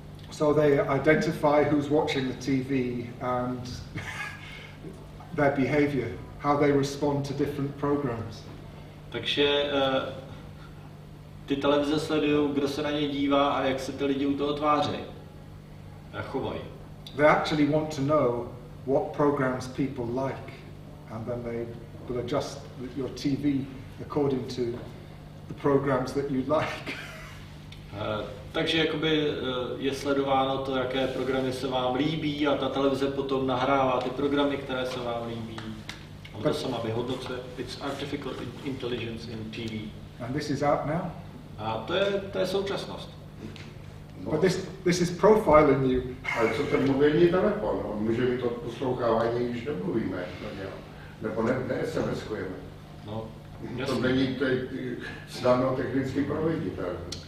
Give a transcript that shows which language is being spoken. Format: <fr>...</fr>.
<en>So they identify who's watching the TV and their behavior, how they respond to different programs.</en> <cs>Takže ty televize sledují, kdo se na ně dívá a jak se ty lidi u toho tváří a chovají.</cs> <en>They actually want to know what programs people like, and then they will adjust your TV according to the programs that you like.</en> <cs>Takže jakoby je sledováno to, jaké programy se vám líbí, a ta televize potom nahrává ty programy, které se vám líbí. A to sama vyhodnocuje.</cs> <en>It's artificial intelligence in TV. And this is out now?</en> <cs>A to je současnost.</cs> <en>No. But this is profiling you.</en> <cs>Ale co ten mobilní telefon? On může mít to poslouchávání, když nemluvíme. Nebo ne SMS-kujeme. No, to není snadno technicky proveditelné.</cs>